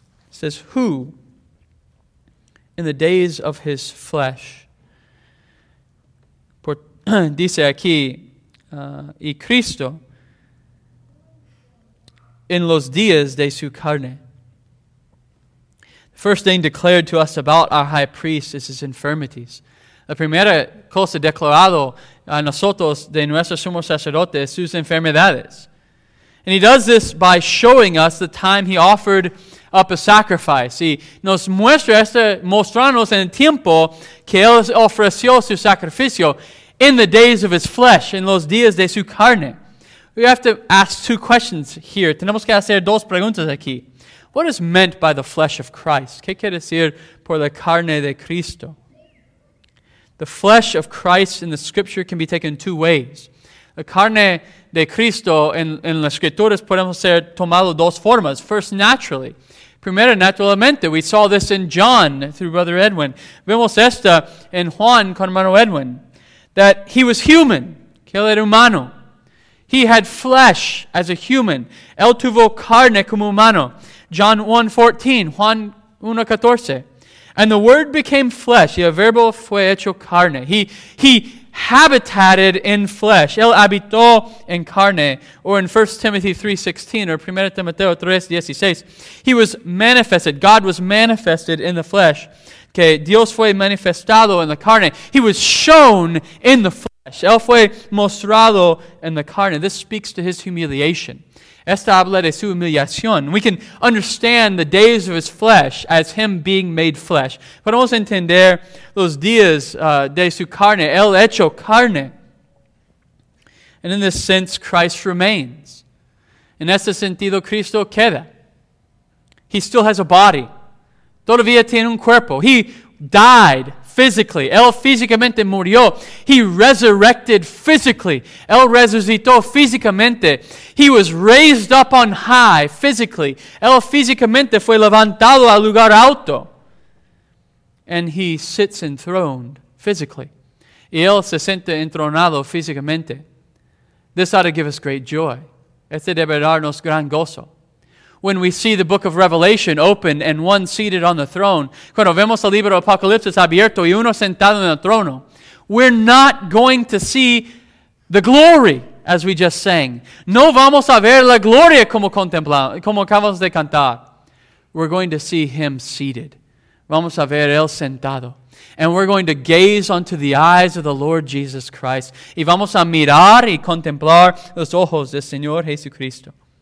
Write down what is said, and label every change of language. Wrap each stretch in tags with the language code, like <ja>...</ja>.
<en>It says, who in the days of his flesh?</en> <es>Dice aquí, y Cristo en los días de su carne.</es> <en>The first thing declared to us about our high priest is his infirmities.</en> <es>La primera cosa declarado a nosotros de nuestro sumo sacerdote es sus enfermedades.</es> <en>And he does this by showing us the time he offered up a sacrifice.</en> <es>Y nos muestra este, mostrándonos en el tiempo que él ofreció su sacrificio</es> <en>in the days of his flesh,</en> <es>en los días de su carne.</es> <en>We have to ask two questions here.</en> <es>Tenemos que hacer dos preguntas aquí.</es> <en>What is meant by the flesh of Christ?</en> <es>¿Qué quiere decir por la carne de Cristo?</es> <en>The flesh of Christ in the scripture can be taken two ways.</en> <es>La carne de Cristo en las escrituras podemos ser tomado dos formas.</es> <en>First, naturally.</en> <es>Primero, naturalmente.</es> <en>We saw this in John through Brother Edwin.</en> <es>Vemos esta en Juan con hermano Edwin.</es> <en>That he was human.</en> <es>Que él era humano.</es> <en>He had flesh as a human.</en> <es>Él tuvo carne como humano.</es> <en>John 1:14, Juan 1:14. And the word became flesh.</en> <es>Y el verbo fue hecho carne.</es> <en>He habitated in flesh.</en> <es>Él habitó en carne.</es> <en>Or in 1 Timothy 3:16 or 1 Timoteo 3:16. He was manifested. God was manifested in the flesh.</en> <es>Okay, Dios fue manifestado en la carne.</es> <en>He was shown in the flesh.</en> <es>Él fue mostrado en la carne.</es> <en>This speaks to his humiliation.</en> <es>Esta habla de su humillación.</es> <en>We can understand the days of his flesh as him being made flesh.</en> <es>Podemos entender los días de su carne, el hecho carne.</es> <en>And in this sense, Christ remains.</en> <es>En este sentido, Cristo queda.</es> <en>He still has a body.</en> <es>Todavía tiene un cuerpo.</es> <en>He died physically.</en> <es>Él físicamente murió.</es> <en>He resurrected physically.</en> <es>Él resucitó físicamente.</es> <en>He was raised up on high physically.</en> <es>Él físicamente fue levantado al lugar alto.</es> <en>And he sits enthroned physically.</en> <es>Y él se siente entronado físicamente.</es> <en>This ought to give us great joy.</en> <es>Este debe darnos gran gozo.</es> <en>When we see the book of Revelation open and one seated on the throne,</en> <es>cuando vemos el libro de Apocalipsis abierto y uno sentado en el trono,</es> <en>we're not going to see the glory, as we just sang.</en> <es>No vamos a ver la gloria como contemplamos, como acabamos de cantar.</es> <en>We're going to see him seated.</en> <es>Vamos a ver él sentado.</es> <en>And we're going to gaze onto the eyes of the Lord Jesus Christ.</en> <es>Y vamos a mirar y contemplar los ojos del Señor Jesucristo.</es>